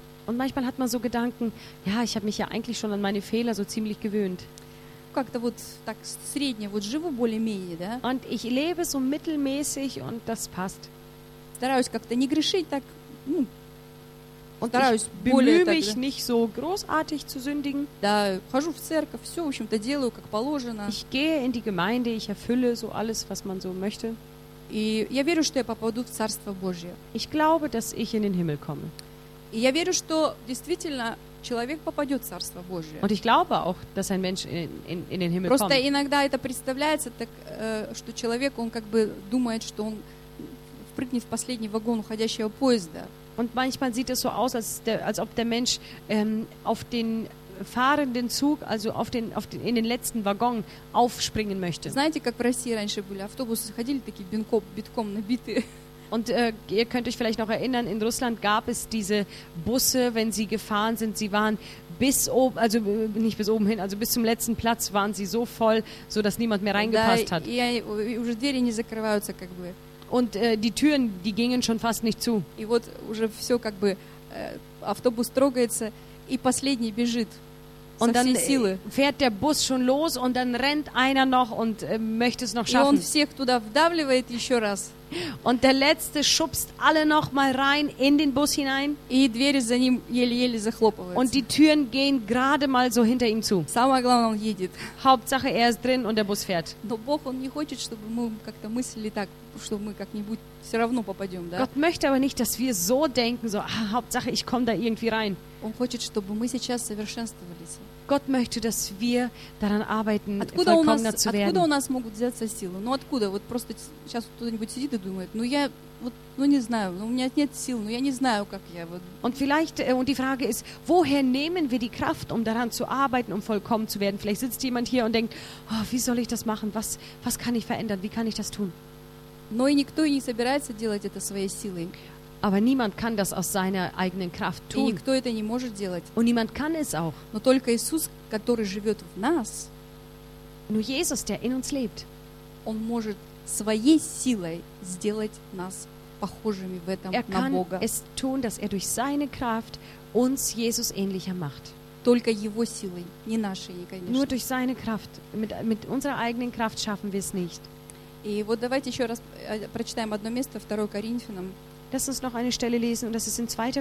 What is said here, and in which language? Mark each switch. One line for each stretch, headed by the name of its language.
German: Und manchmal hat man so Gedanken, ja, ich habe mich ja eigentlich schon an meine Fehler so ziemlich gewöhnt.
Russian: Как-то вот так средне вот живу более-менее, да?
German: Und ich lebe so mittelmäßig und das passt.
Russian: Стараюсь как-то не грешить так.
German: Und ich bemühe mich nicht so großartig zu sündigen.
Russian: Да, хожу в церковь, все, в общем-то, делаю, как положено.
German: Ich gehe in die Gemeinde, ich erfülle so alles, was man so möchte.
Russian: И я верю, что я попаду в Царство Божие.
German: Ich glaube, dass ich in den Himmel komme.
Russian: И я верю, что действительно человек попадет в Царство Божие.
German: Und ich glaube auch, dass ein Mensch in den Himmel
Russian: Просто
German: kommt.
Russian: Просто иногда это представляется так, что человек, он как бы думает, что он впрыгнет в последний вагон уходящего поезда.
German: Und manchmal sieht es so aus, als ob der Mensch auf den fahrenden Zug, also in den letzten Waggon aufspringen möchte.
Russian: Знаете, как в России раньше были автобусы, ходили такие битком набитые.
German: Und ihr könnt euch vielleicht noch erinnern, in Russland gab es diese Busse, wenn sie gefahren sind, sie waren bis oben, also nicht bis oben hin, also bis zum letzten Platz waren sie so voll, so dass niemand mehr reingepasst hat.
Russian: Да, и уже двери не закрываются, как бы.
German: Und die Türen, die gingen schon fast nicht zu.
Russian: И вот уже все как бы автобус трогается и последний бежит.
German: Und dann fährt der Bus schon los und dann rennt einer noch und möchte es noch schaffen.
Russian: И он всех туда вдавливает еще раз.
German: Und der letzte schubst alle noch mal rein in den Bus hinein.
Russian: И двери за ним еле-еле захлопываются.
German: Und die Türen gehen gerade mal so hinter ihm zu.
Russian: Самое главное, он едет.
German: Hauptsache, er ist drin und der Bus fährt.
Russian: Но Бог, он не хочет, чтобы мы как-то мыслили так, что мы как-нибудь все равно попадем, да?
German: Gott möchte aber nicht, dass wir so denken, so, Hauptsache, ich komme da irgendwie rein.
Russian: Он хочет, чтобы мы сейчас совершенствовались.
German: Gott möchte, dass wir daran arbeiten, vollkommener zu werden.
Russian: Откуда у нас могут взяться силы? Ну откуда? Вот просто сейчас кто-нибудь сидит и думает, ну я вот, ну не знаю, у меня нет сил, ну я не знаю, как я вот.
German: Und vielleicht, und die Frage ist, woher nehmen wir die Kraft, um daran zu arbeiten, um vollkommen zu werden? Vielleicht sitzt jemand hier und denkt, oh, wie soll ich das machen? Was kann ich verändern? Wie kann ich das tun?
Russian: Но и никто и не собирается делать это своей силой.
German: Aber niemand kann das aus seiner eigenen Kraft tun.
Russian: И никто это не может делать.
German: Und niemand kann es auch.
Russian: Но только Иисус, который живет в нас,
German: nur Jesus, der in uns lebt,
Russian: он может своей силой сделать нас похожими в этом на Бога.
German: Er kann es tun, dass er durch seine Kraft uns Jesus ähnlicher macht.
Russian: Только его силой, не нашей, конечно.
German: Nur durch seine Kraft, mit unserer eigenen Kraft schaffen wir es nicht.
Russian: И вот давайте еще раз прочитаем одно место, 2 Коринфянам.
German: Lass uns noch eine Stelle lesen, und das ist in 2.